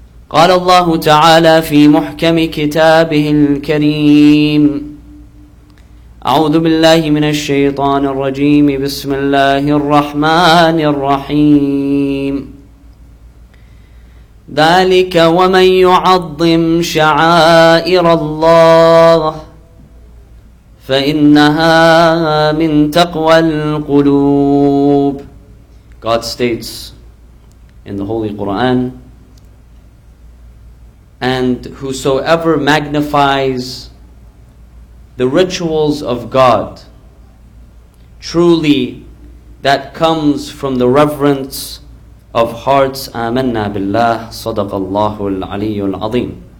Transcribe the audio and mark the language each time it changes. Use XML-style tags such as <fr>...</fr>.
<ar>قال الله تعالى في محكم كتابه الكريم، أعوذ بالله من الشيطان الرجيم، بسم الله الرحمن الرحيم: ذلك ومن يعظم شعائر الله فإنها من تقوى القلوب.</ar> <en>God states in the Holy Quran, and whosoever magnifies the rituals of God, truly that comes from the reverence of hearts.</en> <ar>آمنا بالله صدق الله العلي العظيم.</ar>